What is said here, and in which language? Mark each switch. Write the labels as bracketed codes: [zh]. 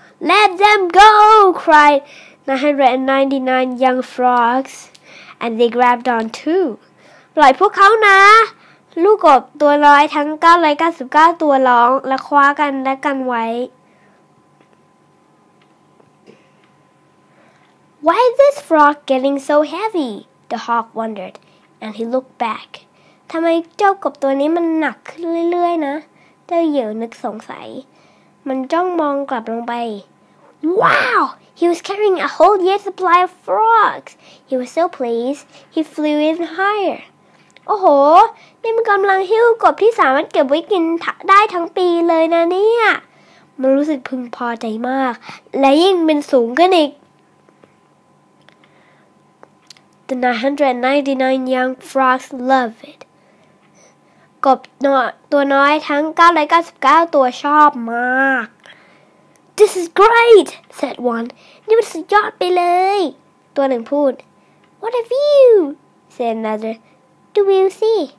[en] Let them go cried 999 young frogs and they grabbed on too [th] ปล่อยพวกเขานะลูกกบตัวร้อยทั้ง999ตัวร้องและคว้ากันและกันไว้ [en] Why is this frog getting so heavy? The hawk wondered, and he looked back. [th] ทำไมเจ้ากบตัวนี้มันหนักขึ้นเรื่อยๆนะเจ้าเหยี่ยวนึกสงสัยมันจ้องมองกลับลงไป [en] Wow! He was carrying a whole year's supply of frogs. He was so pleased, he flew even higher. [th] โอ้โหนี่มันกำลังหิ้วกบที่สามารถเก็บไว้กินได้ทั้งปีเลยนะเนี่ยมันรู้สึกพึงพอใจมากและยิ่งเป็นสูงขึ้นอีก [en] The 999 young frogs love it [th] กบตัวน้อยทั้ง999ตัวชอบมาก [en] This is great said one [th] นี่มันสุดยอดไปเลยตัวหนึ่งพูด [en] What have you said anotherDo we see?